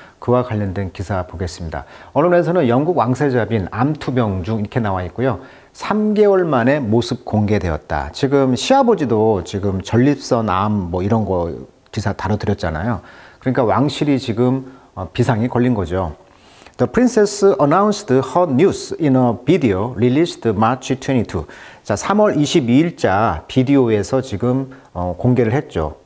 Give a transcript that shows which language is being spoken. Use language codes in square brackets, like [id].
[ko] 그와 관련된 기사 보겠습니다. 언론에서는 영국 왕세자 빈 암투병 중 이렇게 나와 있고요. 3개월 만에 모습 공개되었다. 지금 시아버지도 지금 전립선 암 뭐 이런 거 기사 다뤄드렸잖아요. 그러니까 왕실이 지금 비상이 걸린 거죠. [en] The princess announced her news in a video released March 22. [ko] 자, 3월 22일자 비디오에서 지금 공개를 했죠.